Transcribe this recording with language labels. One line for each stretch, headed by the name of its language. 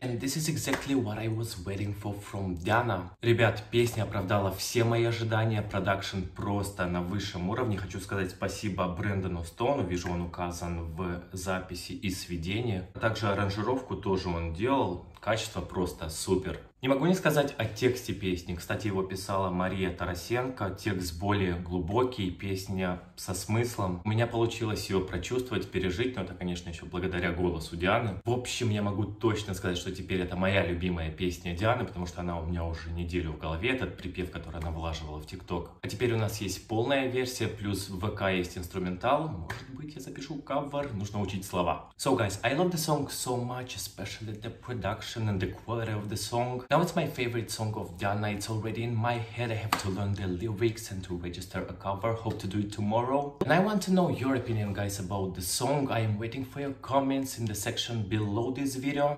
English: And this is exactly what I was waiting for from Diana.
Russian: Ребят, песня оправдала все мои ожидания. Продакшн просто на высшем уровне. Хочу сказать спасибо Брэндону Стоуну. Вижу, он указан в записи и сведении. А также аранжировку тоже он делал. Качество просто супер. Не могу не сказать о тексте песни. Кстати, его писала Мария Тарасенко. Текст более глубокий, песня со смыслом. У меня получилось ее прочувствовать, пережить, но это, конечно, еще благодаря голосу Дианы. В общем, я могу точно сказать, что теперь это моя любимая песня Дианы, потому что она у меня уже неделю в голове, этот припев, который она вылаживала в ТикТок. А теперь у нас есть полная версия, плюс в ВК есть инструментал. Может быть, я запишу кавер. Нужно учить слова.
English: So, guys, I love the song so much, especially the production and the quality of the song. Now it's my favorite song of Diana. It's already in my head. I have to learn the lyrics and to register a cover. Hope to do it tomorrow. And I want to know your opinion, guys, about the song. I am waiting for your comments in the section below this video.